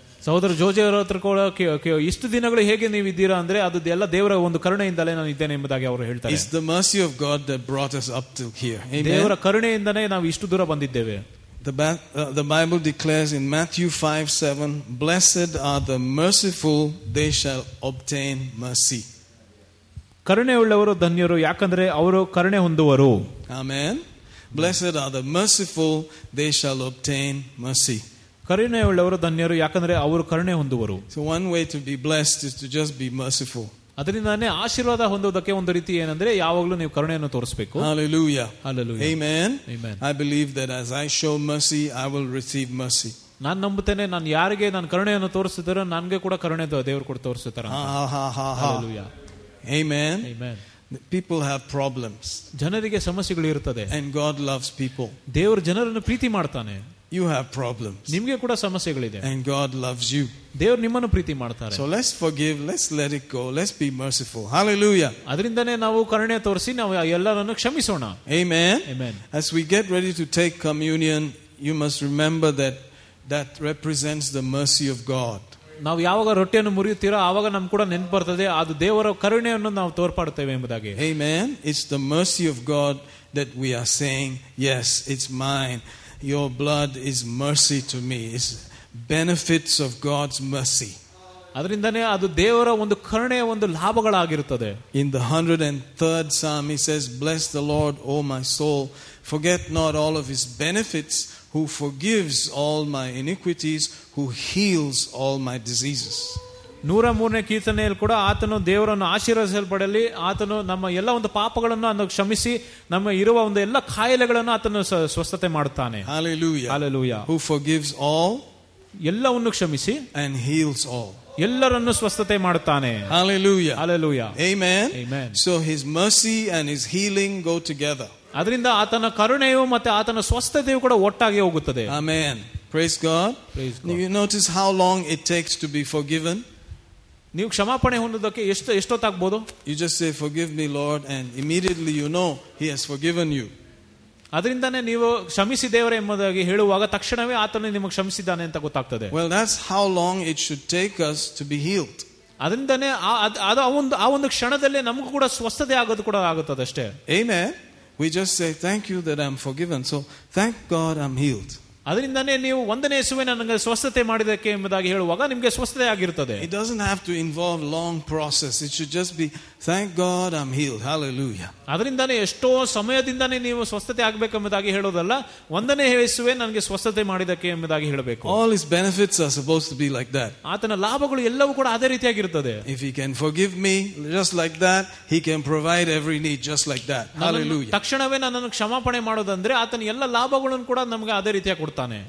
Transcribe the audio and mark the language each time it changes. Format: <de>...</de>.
<kn>ಸಹೋದರ ಜೋಜಿ ಅವರ ಹತ್ರ ಕೂಡ ಇಷ್ಟು ದಿನಗಳು ಹೇಗೆ ನೀವು ಇದ್ದೀರಾ ಅಂದ್ರೆ, ಅದು ಎಲ್ಲ ದೇವರ ಒಂದು ಕರುಣೆಯಿಂದಲೇ ನಾನು ಇದ್ದೇನೆ ಎಂಬುದಾಗಿ ಅವರು ಹೇಳ್ತಾರೆ.</kn> <en>It's the mercy of God that brought us up to here. Amen.</en> <kn>ದೇವರ ಕರುಣೆಯಿಂದನೇ ನಾವು ಇಷ್ಟು ದೂರ ಬಂದಿದ್ದೇವೆ.</kn> <en>The Bible declares in Matthew 5:7, blessed are the merciful, they shall obtain mercy.</en> <kn>ಕರುಣೆ ಉಳ್ಳವರು ಧನ್ಯರು, ಯಾಕಂದ್ರೆ ಅವರು ಕರುಣೆ ಹೊಂದುವರು.</kn> <en>Amen. Blessed are the merciful, they shall obtain mercy.</en> <kn>ಕರುಣೆಯುಳ್ಳವರು ಧನ್ಯರು ಯಾಕಂದ್ರೆ ಅವರು ಕರುಣೆ ಹೊಂದುವರು.</kn> <en>So one way to be blessed is to just be merciful.</en> <kn>ಅದರಿಂದಾನೆ ಆಶೀರ್ವಾದ ಹೊಂದುವುದಕ್ಕೆ ಒಂದು ರೀತಿ ಏನಂದ್ರೆ ಯಾವಾಗಲೂ ನೀವು ಕರುಣೆಯನ್ನು ತೋರಿಸಬೇಕು.</kn> <en>Hallelujah. Hallelujah. Amen. Amen. I believe that as I show mercy, I will receive mercy.</en> <kn>ನಾನು ನಂಬುತ್ತೇನೆ ನಾನು ಯಾರಿಗೆ ನಾನು ಕರುಣೆಯನ್ನು ತೋರಿಸಿದರೂ ನನಗೆ ಕೂಡ ಕರುಣೆ ದೇವರು ಕೂಡ ತೋರಿಸುತ್ತಾರೆ.</kn> <en>Hallelujah. Amen. Amen. People have problems.</en> <kn>ಜನರಿಗೆ ಸಮಸ್ಯೆಗಳು ಇರುತ್ತದೆ.</kn> <en>And God loves people.</en> <kn>ದೇವರು ಜನರನ್ನು ಪ್ರೀತಿ ಮಾಡ್ತಾನೆ.</kn> <en>You have problems.</en> <kn>ನಿಮಗೆ ಕೂಡ ಸಮಸ್ಯೆಗಳಿದೆ.</kn> <en>And God loves you.</en> <kn>ದೇವರು ನಿಮ್ಮನ್ನು ಪ್ರೀತಿ ಮಾಡ್ತಾರೆ.</kn> <en>So let's forgive, let's let it go, let's be merciful. Hallelujah.</en> <kn>ಅದರಿಂದನೇ ನಾವು ಕರುಣೆ ತೋರಿಸಿ ನಾವು ಎಲ್ಲರನ್ನು ಕ್ಷಮಿಸೋಣ.</kn> <en>Amen. Amen. As we get ready to take communion, you must remember that represents the mercy of God.</en> <kn>ನಾವು ಯಾವಾಗ ರೊಟ್ಟಿಯನ್ನು ಮುರಿಯುತ್ತೀರೋ ಆವಾಗ ನಮ್ ಕೂಡ ನೆನಪು ಬರ್ತದೆ ಅದು ದೇವರ ಕರುಣೆಯನ್ನು ನಾವು ತೋರ್ಪಡುತ್ತೇವೆ ಎಂಬುದಾಗಿ.</kn> <en>Amen. It's the mercy of God that we are saying, yes, it's mine. Your blood is mercy to me. It's benefits of God's mercy.</en> <kn>ಅದರಿಂದಾನೆ ಅದು ದೇವರ ಒಂದು ಕರುಣೆಯ ಒಂದು ಲಾಭಗಳಾಗಿರುತ್ತದೆ.</kn> <en>In the 103rd Psalm he says, bless the Lord, O my soul, forget not all of his benefits, who forgives all my iniquities, who heals all my diseases.</en> <kn>103ನೇ ಕೀರ್ತನೆಯಲ್ಲಿ ಕೂಡ ಆತನು ದೇವರನ್ನು ಆಶೀರ್ವದಿಸಲ್ಪಡಲಿ, ಆತನು ನಮ್ಮ ಎಲ್ಲ ಒಂದು ಪಾಪಗಳನ್ನು ಅದನ್ನು ಕ್ಷಮಿಸಿ ನಮ್ಮ ಇರುವ ಒಂದು ಎಲ್ಲ ಕಾಯಿಲೆಗಳನ್ನು ಆತನು ಸ್ವಸ್ಥತೆ ಮಾಡುತ್ತಾನೆ.</kn> <en>Hallelujah. Hallelujah. Who forgives all,</en> <kn>ಎಲ್ಲವನ್ನು ಕ್ಷಮಿಸಿ,</kn> <en>and heals all,</en> <kn>ಎಲ್ಲರನ್ನು ಸ್ವಸ್ಥತೆ ಮಾಡುತ್ತಾನೆ.</kn> <en>Hallelujah. Hallelujah. Amen. Amen. So his mercy and his healing go together.</en> <kn>ಅದರಿಂದ ಆತನ ಕರುಣೆಯು ಮತ್ತೆ ಆತನ ಸ್ವಸ್ಥತೆಯು ಕೂಡ ಒಟ್ಟಾಗಿ ಹೋಗುತ್ತದೆ.</kn> <en>Amen. Praise God. Praise God. You notice how long it takes to be forgiven?</en> <kn>ನೀವು ಕ್ಷಮಾಪಣೆ ಹೊಂದೋದಕ್ಕೆ ಎಷ್ಟೊತ್ತಾಗಬಹುದು?</kn> <en>You just say, forgive me, Lord, and immediately you know he has forgiven you.</en> <kn>ಅದರಿಂದನೇ ನೀವು ಕ್ಷಮಿಸಿ ದೇವರೇ ಎಂಬುದಾಗಿ ಹೇಳುವಾಗ ತಕ್ಷಣವೇ ಆತನು ನಿಮಗೆ ಕ್ಷಮಿಸಿದ್ದಾನೆ ಅಂತ ಗೊತ್ತಾಗ್ತದೆ.</kn> <en>Well, that's how long it should take us to be healed.</en> <kn>ಅದರಿಂದನೇ ಆ ಒಂದು ಕ್ಷಣದಲ್ಲೇ ನಮಗೂ ಕೂಡ ಸ್ವಸ್ಥತೆ ಆಗೋದು ಕೂಡ ಆಗುತ್ತದೆ ಅಷ್ಟೇ.</kn> <en>Amen. We just say, thank you that I'm forgiven. So, thank God I'm healed.</en> <kn>ಅದರಿಂದನೇ ನೀವು ವಂದನೆ ಯೇಸುವೇ ನನಗೆ ಸ್ವಸ್ಥತೆ ಮಾಡಿದಕ್ಕೆ ಎಂಬುದಾಗಿ ಹೇಳುವಾಗ ನಿಮಗೆ ಸ್ವಸ್ಥತೆ ಆಗಿರುತ್ತದೆ.</kn> <en>It doesn't have to involve long process. It should just be, thank God I'm healed. Hallelujah.</en> <kn>ಅದರಿಂದನೇ ಎಷ್ಟೋ ಸಮಯದಿಂದನೇ ನೀವು ಸ್ವಸ್ಥತೆ ಆಗಬೇಕು ಎಂಬುದಾಗಿ ಹೇಳೋದಲ್ಲ, ವಂದನೆ ಯೇಸುವೇ ನನಗೆ ಸ್ವಸ್ಥತೆ ಮಾಡಿದಕ್ಕೆ ಎಂಬುದಾಗಿ ಹೇಳಬೇಕು.</kn> <en>All his benefits are supposed to be like that.</en> <kn>ಆತನ ಲಾಭಗಳು ಎಲ್ಲವೂ ಕೂಡ ಅದೇ ರೀತಿಯಾಗಿರುತ್ತದೆ.</kn> <en>If he can forgive me just like that, he can provide every need just like that. Hallelujah.</en> <kn>ತಕ್ಷಣವೇ ನನ್ನನ್ನು ಕ್ಷಮಾಪಣೆ ಮಾಡೋದಂದ್ರೆ ಆತನ ಎಲ್ಲ ಲಾಭಗಳನ್ನು ಕೂಡ ನಮಗೆ ಅದೇ ರೀತಿಯಾಗಿ ಕೊಡ್ತಾನೆ.</kn>